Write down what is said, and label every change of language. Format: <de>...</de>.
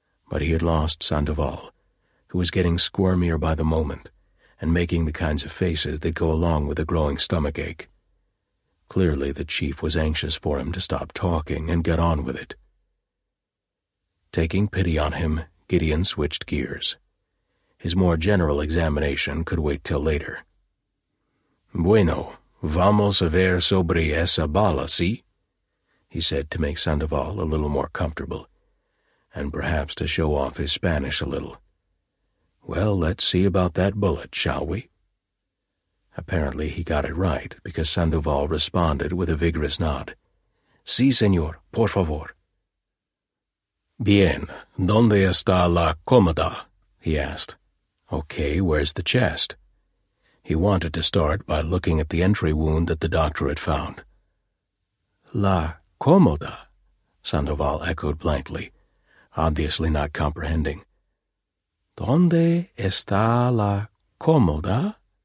<en>But he had lost Sandoval, who was getting squirmier by the moment, and making the kinds of faces that go along with a growing stomachache. Clearly the chief was anxious for him to stop talking and get on with it. Taking pity on him, Gideon switched gears. His more general examination could wait till later.</en> <es>Bueno, vamos a ver sobre esa bala, ¿sí?</es> <en>He said to make Sandoval a little more comfortable, and perhaps to show off his Spanish a little. Well, let's see about that bullet, shall we? Apparently he got it right, because Sandoval responded with a vigorous nod.</en> <es>Sí, señor, por favor. Bien, ¿dónde está la cómoda?</es> <en>He asked. Okay, where's the chest? He wanted to start by looking at the entry wound that the doctor had found.</en> <es>La cómoda,</es> <en>Sandoval echoed blankly, obviously not comprehending.</en> <es>¿Dónde está la cómoda?</es>